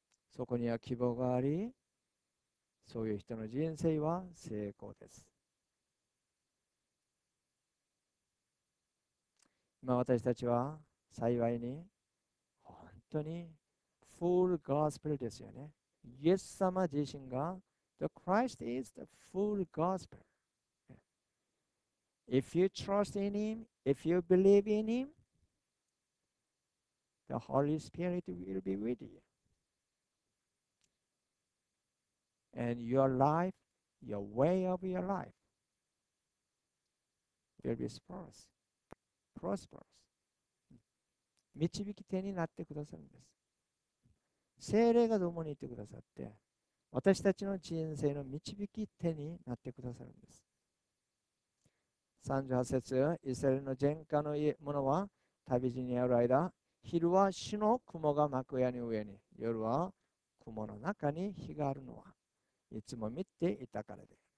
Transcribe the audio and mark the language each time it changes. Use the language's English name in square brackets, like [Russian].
[Japanese] そこには希望があり、そういう人の人生は成功です。今私たちは幸いに本当にフルゴスペルですよね。イエス様自身が [English] The Christ is the full gospel. If you trust in him, if you believe in him, The Holy Spirit will be with you. And your life, your way of your life will be prosperous. [Japanese] 導き手になってくださるんです。聖霊が共にいてくださって、私たちの人生の導き手になってくださるんです。 38節、イスラエルの前科の者は旅路にある間、昼は主の雲が幕屋に上に、夜は雲の中に日があるのは、いつも見ていたからで。